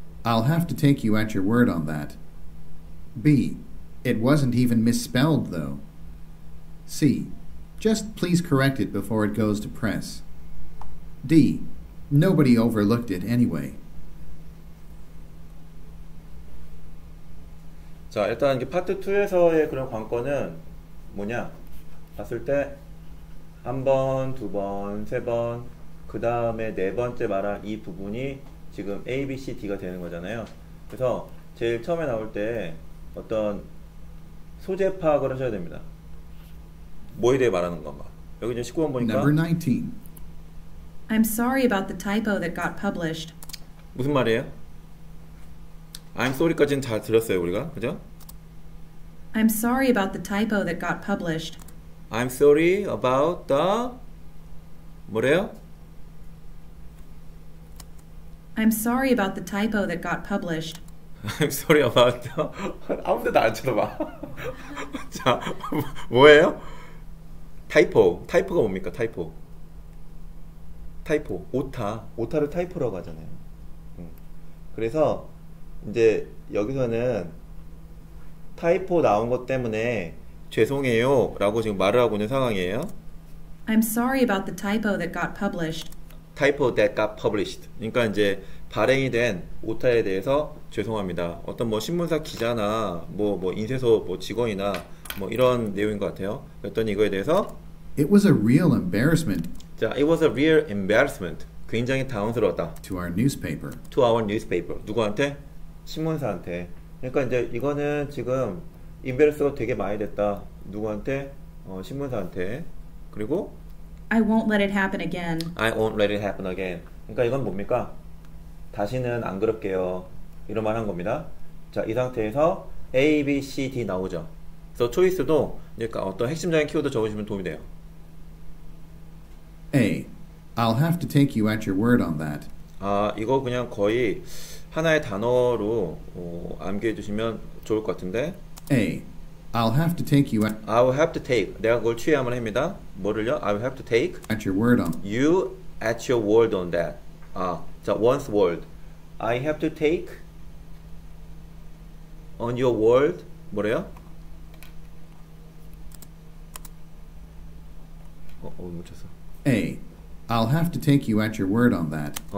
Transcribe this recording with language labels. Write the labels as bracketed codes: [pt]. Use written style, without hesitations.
[en] I'll have to take you at your word on that. B. It wasn't even misspelled, though. C. Just please correct it before it goes to press. D. Nobody overlooked it anyway. [ko] 자, 일단 이제 파트 2에서의 그런 관건은 뭐냐? 봤을 때 한 번, 두 번, 세 번, 그 다음에 네 번째 말한 이 부분이 지금 A, B, C, D가 되는 거잖아요. 그래서 제일 처음에 나올 때 어떤 소재 파악을 하셔야 됩니다. 뭐에 대해 말하는 건가? 여기 이제 19번 보니까 [en] Number 19. I'm sorry about the typo that got published. [ko] 무슨 말이에요? [en] I'm sorry [ko] 까지는 잘 들었어요, 우리가. 그죠? [en] I'm sorry about the typo that got published. I'm sorry about the [ko] 뭐래요? [en] I'm sorry about the typo that got published. I'm sorry about the [ko] 아무데도 안 쳐다봐. 자, 뭐예요? 타이포. 타이포가 뭡니까? 타이포. 타이포. 오타. 오타를 타이포라고 하잖아요. 그래서 이제 여기서는 타이포 나온 것 때문에 죄송해요 라고 지금 말을 하고 있는 상황이에요. [en] I'm sorry about the typo that got published. Typo that got published. [ko] 그러니까 이제 발행이 된 오타에 대해서 죄송합니다. 어떤 뭐 신문사 기자나 뭐 인쇄소 뭐 직원이나 뭐 이런 내용인 것 같아요. 그랬더니 이거에 대해서 [en] It was a real embarrassment. 자, it was a real embarrassment. [ko] 굉장히 당황스러웠다. [en] To our newspaper. To our newspaper. [ko] 누구한테? 신문사한테. 그러니까 이제 이거는 지금 embarrass가 되게 많이 됐다. 누구한테? 신문사한테. 그리고 [en] I won't let it happen again. I won't let it happen again. [ko] 그러니까 이건 뭡니까? 다시는 안 그럴게요. 이런 말 한 겁니다. 자, 이 상태에서 A, B, C, D 나오죠. 그래서 초이스도 그러니까 어떤 핵심적인 키워드 적으시면 도움이 돼요. [en] A. I'll have to take you at your word on that. [ko] 아, 이거 그냥 거의 하나의 단어로 암기해 주시면 좋을 것 같은데. [en] A. I'll have to take you at I will have to take. [ko] 내가 그걸 취하면 합니다. 뭐를요? [en] I will have to take at your word on. You at your word on that. 아, 자, once word. I have to take on your word. [ko] 뭐래요? 놓쳤어. [en] A. I'll have to take you at your word on that.